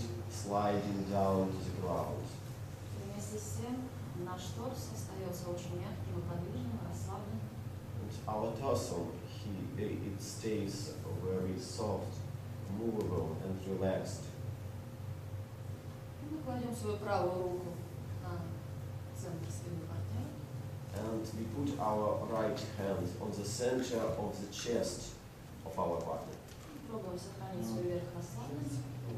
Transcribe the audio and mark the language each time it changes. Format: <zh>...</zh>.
<en>Sliding down to the ground.</en> <ru>Вместе с тем наш торс остается очень мягким, подвижным, расслабленным.</ru> <en>Our torso, it stays very soft, movable and relaxed.</en> <ru>Мы кладем свою правую руку на центр спины партнера.</ru> <en>And we put our right hand on the center of the chest of our partner.</en> <ru>Пробуем сохранить свой верх расслабленным.</ru>